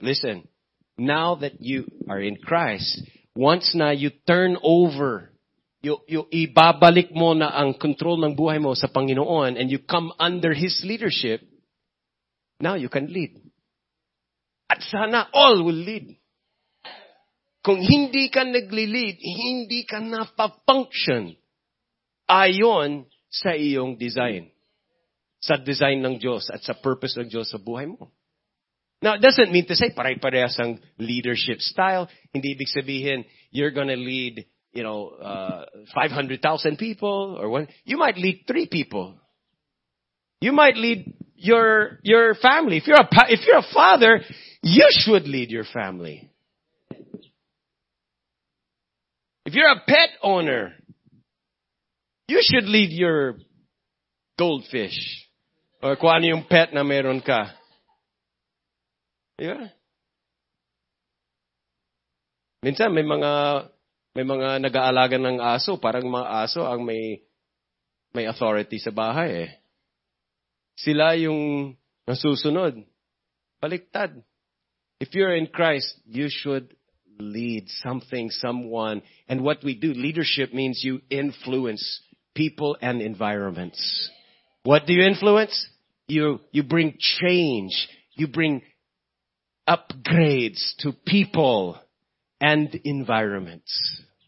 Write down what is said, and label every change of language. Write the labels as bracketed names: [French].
[English] Listen, now that you are in Christ, once na you turn over, you [Filipino] ibabalik mo na ang control ng buhay mo sa Panginoon, [English] and you come under His leadership, now you can lead. [Filipino] At sana [English] all will lead. [Filipino] Kung hindi ka nagli-lead, hindi ka napapunction ayon sa iyong design. Sa design ng Diyos at sa purpose ng Diyos sa buhay mo. [English] Now, it doesn't mean to say [Filipino] pare-parehas ang [English] leadership style. [Filipino] Hindi ibig sabihin, [English] you're gonna lead, you know, 500,000 people or one. You might lead 3 people. You might lead your family. If you're a father, you should lead your family. If you're a pet owner, you should lead your goldfish. [Filipino] Or kung ano yung pet na meron ka. Yeah. Minsan may mga nag-aalaga ng aso. Parang mga aso ang may authority sa bahay eh. Sila yung nasusunod. Baliktad. [English] If you're in Christ, you should lead something, someone. And what we do, leadership means you influence people and environments. What do you influence? You bring change. You bring upgrades to people and environments.